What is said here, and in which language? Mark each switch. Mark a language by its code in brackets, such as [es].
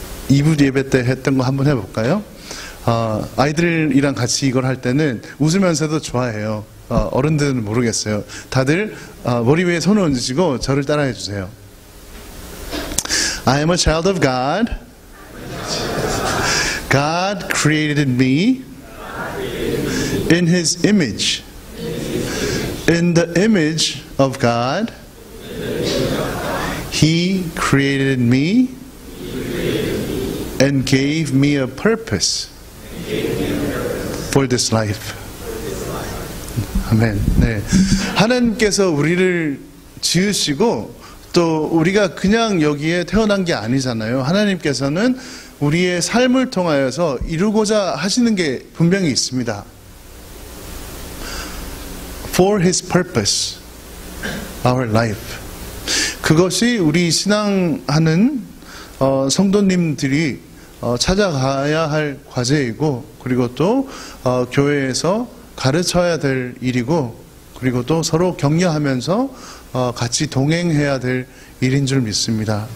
[ko] 2부 예배 때 했던 거 한번 해볼까요? 아이들이랑 같이 이걸 할 때는 웃으면서도 좋아해요. 어른들은 모르겠어요. 다들 머리 위에 손을 얹으시고 저를 따라해 주세요. [en] I am a child of God. God created me in His image. In the image of God, He created me and gave me a purpose. For this life. Amen. 네. [ko] 하나님께서 우리를 지으시고 또 우리가 그냥 여기에 태어난 게 아니잖아요. 하나님께서는 우리의 삶을 통하여서 이루고자 하시는 게 분명히 있습니다. [en] For His purpose, our life. [ko] 그것이 우리 신앙하는 성도님들이 찾아가야 할 과제이고, 그리고 또 교회에서 가르쳐야 될 일이고, 그리고 또 서로 격려하면서 같이 동행해야 될 일인 줄 믿습니다.